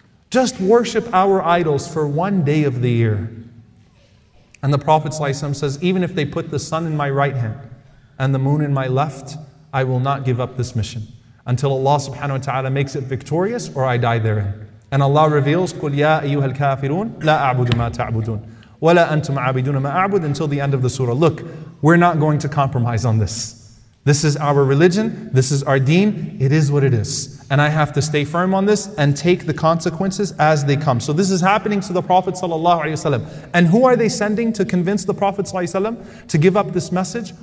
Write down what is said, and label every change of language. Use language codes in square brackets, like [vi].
[en] Just worship our idols for one day of the year. And the Prophet ﷺ says, even if they put the sun in my right hand and the moon in my left, I will not give up this mission until Allah subhanahu wa ta'ala makes it victorious or I die therein. And Allah reveals, [ar] قُلْ يَا أَيُّهَا الْكَافِرُونَ لَا أَعْبُدُ مَا تَعْبُدُونَ وَلَا أَنْتُمْ عَابِدُونَ مَا أَعْبُدُ [en] until the end of the surah. Look, we're not going to compromise on this. This is our religion, this is our deen, it is what it is. And I have to stay firm on this and take the consequences as they come. So this is happening to the Prophet ﷺ. And who are they sending to convince the Prophet ﷺ to give up this message?